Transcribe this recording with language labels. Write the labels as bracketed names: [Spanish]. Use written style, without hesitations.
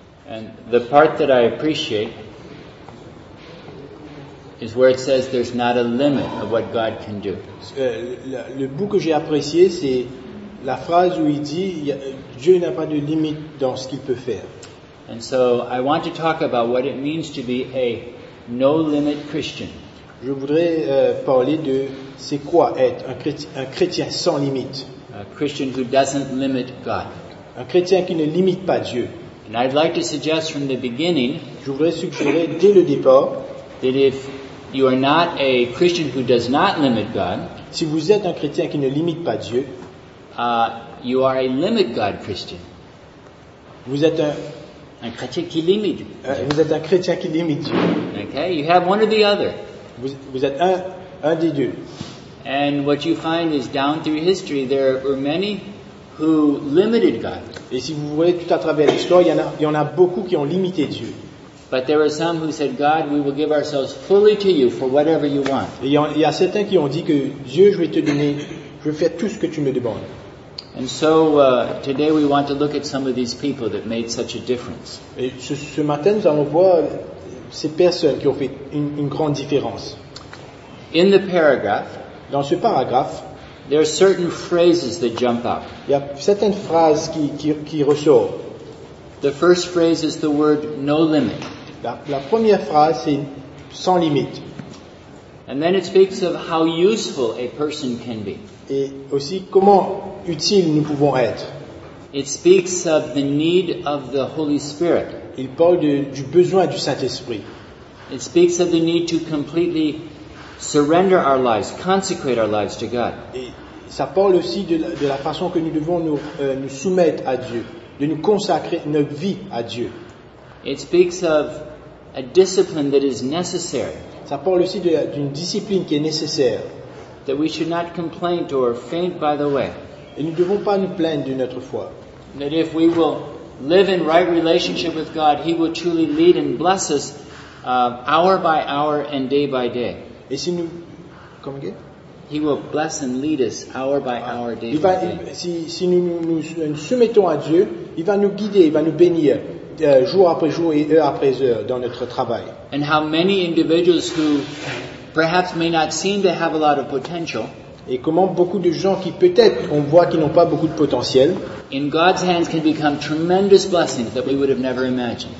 [English] And the part that I appreciate is where it says there's not a limit of what God can do. [French] Le bout que j'ai apprécié, c'est la phrase où il dit Dieu n'a pas de limite dans ce qu'il peut faire. [English] And so I want to talk about what it means to be a no-limit Christian. [French] Je voudrais parler de c'est quoi être un chrétien sans limite. [English] A Christian who doesn't limit God. [French] Un chrétien qui ne limite pas Dieu. [English] And I'd like to suggest from the beginning. [French] Je voudrais suggérer dès le départ. [English] That if you are not a Christian who does not limit God. [French] Si vous êtes un chrétien qui ne limite pas Dieu. [English] You are a limit God Christian. [French] Vous êtes un chrétien qui limite. Vous êtes un chrétien qui limite Dieu. [English] Okay, you have one or the other. [French] Vous êtes un des deux. [English] And what you find is down through history, there were many who limited God. [French] Et si vous voyez tout à travers l'histoire, il y en a beaucoup qui ont limité Dieu. [English] But there were some who said, God, we will give ourselves fully to you for whatever you want. [French] Il y a certains qui ont dit que Dieu, je vais te donner, je vais faire tout ce que tu me demandes. [English] And so today we want to look at some of these people that made such a difference. [French] Et ce matin, nous allons voir ces personnes qui ont fait une grande différence. [English] In the paragraph, [French] dans ce paragraphe, [English] there are certain phrases that jump out. [French] Il y a certaines phrases qui ressortent. [English] The first phrase is the word no limit. [French] La première phrase c'est sans limite. [English] And then it speaks of how useful a person can be. [French] Et aussi comment utile nous pouvons être. [English] It speaks of the need of the Holy Spirit. [French] Il parle du besoin du Saint-Esprit. [English] It speaks of the need to completely surrender our lives, consecrate our lives to God. [French] Et ça parle aussi de la façon que nous devons nous, nous soumettre à Dieu, de nous consacrer notre vie à Dieu. [English] It speaks of a discipline that is necessary. [French] Ça parle aussi de, d'une discipline qui est nécessaire. [English] That we should not complain or faint by the way. [French] Et nous ne devons pas nous plaindre de notre foi. [English] That if we will live in right relationship with God, He will truly lead and bless us hour by hour and day by day. [French] Et si nous, comme [English] again? He will bless and lead us hour by hour, day [French] va, [English] by day. [French] Si nous nous soumettons à Dieu, il va nous guider, il va nous bénir jour après jour et heure après heure dans notre travail. [English] And how many individuals who perhaps may not seem to have a lot of potential. [French] Et comment beaucoup de gens qui peut-être on voit qu'ils n'ont pas beaucoup de potentiel. [English] In God's hands can become tremendous blessings that we would have never imagined.